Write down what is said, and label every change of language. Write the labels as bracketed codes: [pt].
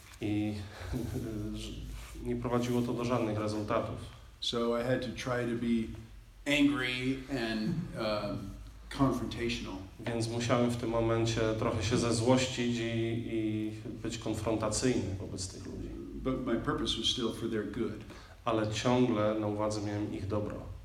[pl] I nie prowadziło to do żadnych rezultatów. [en] So I had to try to be angry and confrontational. [pl] Więc musiałem w tym momencie trochę się zezłościć i być konfrontacyjny wobec tych ludzi. [en] But my purpose was still for their good. [pl] Ale ciągle na uwadze miałem ich dobro.